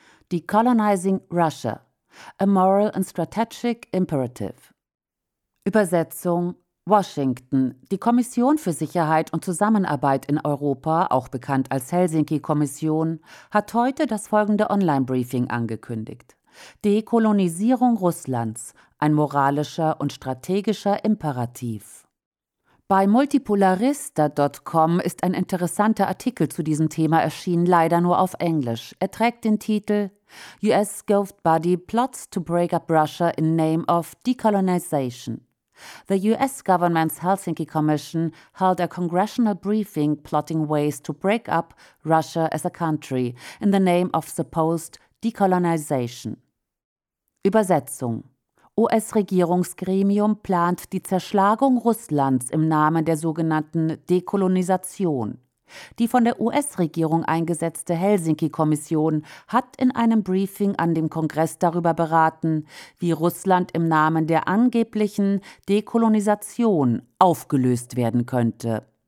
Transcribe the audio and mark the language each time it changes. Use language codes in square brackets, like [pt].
[en] Decolonizing Russia, a moral and strategic imperative. [de] Übersetzung: Washington, die Kommission für Sicherheit und Zusammenarbeit in Europa, auch bekannt als Helsinki-Kommission, hat heute das folgende Online-Briefing angekündigt. Dekolonisierung Russlands, ein moralischer und strategischer Imperativ. Bei multipolarista.com ist ein interessanter Artikel zu diesem Thema erschienen, leider nur auf Englisch. Er trägt den Titel » [en] US Ghost Body Plots to Break Up Russia in Name of Decolonization«. The U.S. government's Helsinki Commission held a congressional briefing plotting ways to break up Russia as a country in the name of supposed decolonization. [de] Übersetzung: US-Regierungsgremium plant die Zerschlagung Russlands im Namen der sogenannten Dekolonisation. Die von der US-Regierung eingesetzte Helsinki-Kommission hat in einem Briefing an dem Kongress darüber beraten, wie Russland im Namen der angeblichen Dekolonisation aufgelöst werden könnte.